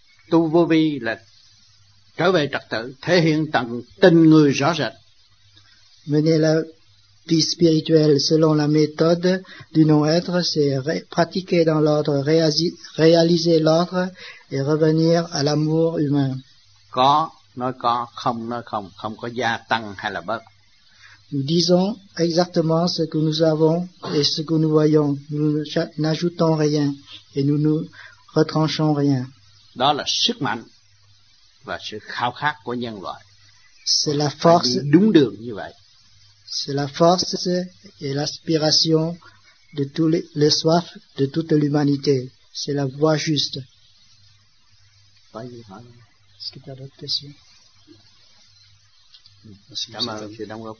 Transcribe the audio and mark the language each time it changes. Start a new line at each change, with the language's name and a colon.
Vietnamese: Tu vô vi là trở về trật tự, thể hiện tận tình người rõ rệt.
French: Mener la vie spirituelle selon la méthode du non-être, c'est pratiquer dans l'ordre, réaliser l'ordre et revenir à l'amour humain.
Vietnamese: Có, nói có, không, nói không, không có gia tăng hay là bớt.
French: Nous disons exactement ce que nous avons et ce que nous voyons. Nous n'ajoutons rien et nous ne retranchons rien.
Vietnamese: Đó là sức mạnh và sự khao khát của nhân loại.
French: C'est la force.
Vietnamese: Đúng đường như vậy.
French: C'est la force et l'aspiration de tous les soif de toute l'humanité. C'est la voie juste. Est-ce que tu as d'autres questions? Merci.
Vietnamese: Cảm ơn sự đóng góp.